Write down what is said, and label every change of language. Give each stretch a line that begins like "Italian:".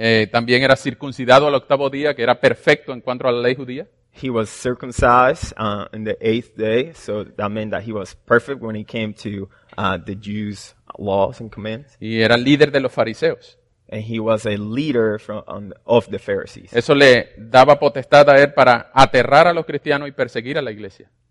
Spanish: También era circuncidado al octavo día, que era perfecto en cuanto a la ley judía.
English: He was circumcised in the eighth day, so that meant that he was perfect when he came to the Jews' laws and commands.
Spanish: Y era líder de los fariseos.
English: And he was a leader of the Pharisees.
Spanish: Eso le daba potestad a él para aterrar a los cristianos y perseguir a la iglesia.